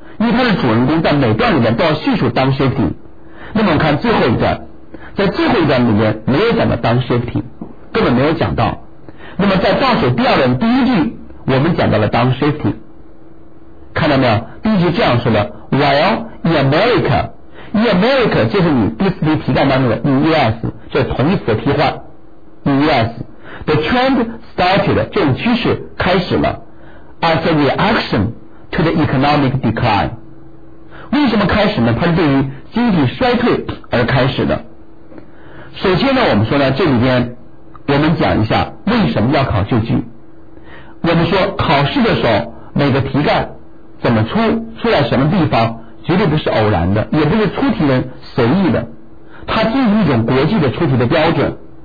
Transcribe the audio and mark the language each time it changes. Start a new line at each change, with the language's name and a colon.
Chinese: 因为它的主人公在每段里面都要叙述当 shifting。那么我们看最后一段，在最后一段里面没有讲到当 shifting， 根本没有讲到。那么在倒数第二段第一句我们讲到了当 shifting，看到没有？第一句这样说的 ：
English: While America，
Chinese: 就是你第四题题干当中的
English: in U.S.，
Chinese: 这同义词的替换 in U.S.
English: The trend started，
Chinese: 这种趋势开始了
English: ，as a reaction to the economic decline。
Chinese: 为什么开始呢？它是对于经济衰退而开始的。首先呢，我们说呢，这里边我们讲一下为什么要考旧句。我们说考试的时候每个题干，怎么出在什么地方，绝对不是偶然的，也不是出题人随意的，它进行一种国际的出题的标准。